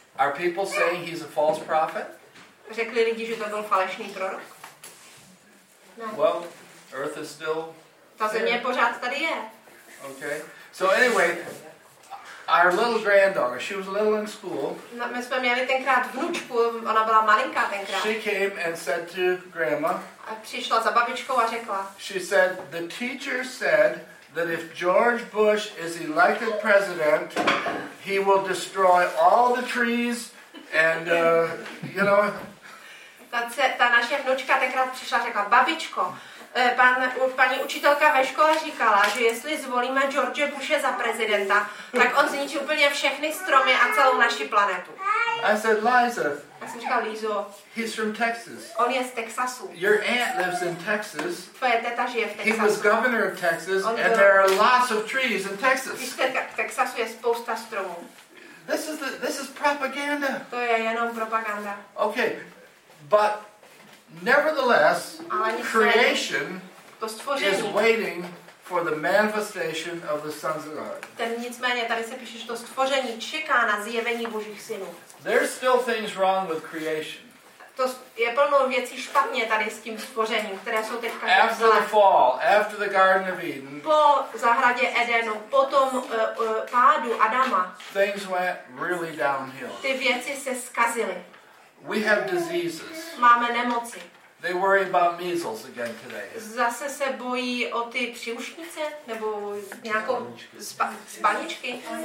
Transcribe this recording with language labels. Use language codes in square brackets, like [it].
[en] Are people saying he's a false prophet? [cs] Řekli lidi, že to byl falešný prorok? [en] Ne. Well, Earth is still. [cs] Ta země pořád tady je. [en] Okay. So anyway, our little granddaughter, she was little in school. [cs] My jsme měli tenkrát vnučku, ona byla malinká tenkrát. [en] She came and said to grandma. [cs] A přišla za babičkou a řekla. [en] She said, the teacher said that if George Bush is elected president, he will destroy all the trees and, you know. [cs] Ta naše vnučka tenkrát přišla a řekla, babičko, paní učitelka ve škole říkala, že jestli zvolíme George Bushe za prezidenta, tak on zničí úplně všechny stromy a celou naši planetu. [en] I said, Liza. [cs] Já jsem říkal, Lizo. [en] He's from Texas. [cs] On je z Texasu. [en] Your aunt lives in Texas. [cs] Tvoje teta žije v Texasu. [en] He was governor of Texas and there are lots of trees in Texas. [cs] Víte, v Texasu je spousta stromů. [en] This is propaganda. [cs] To je jenom propaganda. [en] Okay, but nevertheless, creation is waiting for the manifestation of the sons of God. [cs] Nicméně tady se píše, že to stvoření čeká na zjevení Božích synů. [en] There's still things wrong with creation. [cs] To je plno věcí špatně tady s tím stvořením, které jsou teďka. [en] After the fall, after the Garden of Eden. [cs] Po zahradě Edenu, potom pádu Adama. [en] Things went really downhill. [cs] Ty věci se zkazily. [en] We have diseases. [cs] Máme nemoci. [en] They worry about measles again today. [cs] Zase se bojí o ty příušnice nebo nějakou spaničky.